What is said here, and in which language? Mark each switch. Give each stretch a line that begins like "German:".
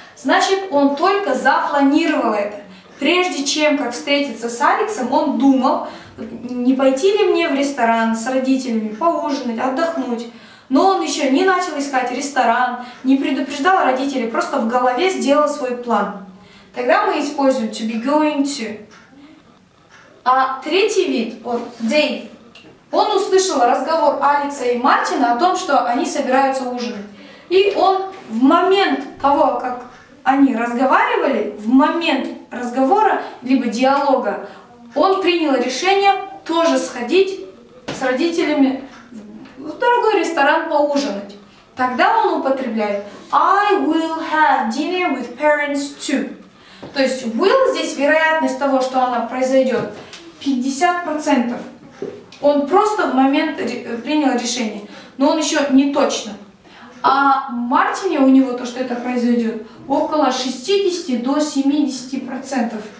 Russian: Значит, он только запланировал это. Прежде чем как встретиться с Алексом, он думал, не пойти ли мне в ресторан с родителями, поужинать, отдохнуть. Но он еще не начал искать ресторан, не предупреждал родителей, просто в голове сделал свой план. Тогда мы используем
English: to be going to.
Russian: А третий вид, вот Дэйв, он услышал разговор Алекса и Мартина о том, что они собираются ужинать. И он в момент того, как они разговаривали, в момент разговора, либо диалога, он принял решение тоже сходить с родителями в дорогой ресторан поужинать. Тогда он употребляет
English: I will have dinner with parents too.
Russian: То есть will здесь вероятность того, что она произойдет, 50%. Он просто в момент принял решение, но он еще не точно. А Мартине у него то, что это произойдет, около 60-70%.